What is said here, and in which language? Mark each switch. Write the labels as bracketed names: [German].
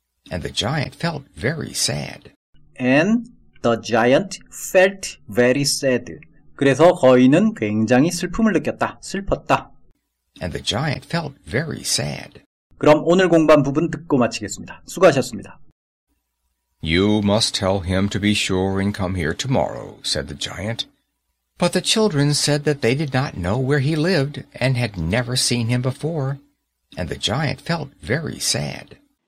[English] And the giant felt very sad. And the giant felt very sad. [Korean] 그래서 거인은 굉장히 슬픔을 느꼈다. 슬펐다. [English] And the giant felt very sad. [Korean] 그럼 오늘 공부한 부분 듣고 마치겠습니다. 수고하셨습니다. [English] You must tell him to be sure and come here tomorrow, said the giant. But the children said that they did not know where he lived and had never seen him before, and the giant felt very sad.